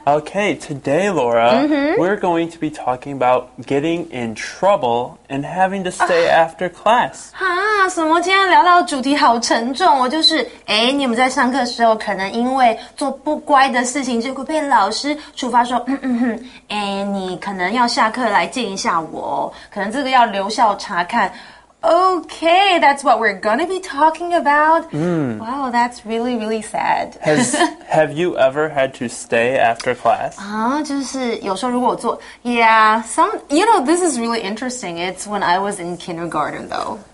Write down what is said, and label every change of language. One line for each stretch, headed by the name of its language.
English: Okay, today, Laura, we're going to be talking about getting in trouble and having to stay after class.
Chinese: 怎么今天聊到主题好沉重哦？就是，哎，你们在上课的时候可能因为做不乖的事情，就会被老师处罚说，哎，你可能要下课来见一下我，可能这个要留校查看。
English: Okay, that's what we're gonna be talking about. Wow, that's really, really sad. Have you ever had to stay after class?
Chinese: 就是有时候如果我做
English: Yeah, some, you know, this is really interesting. It's when I was in kindergarten, though.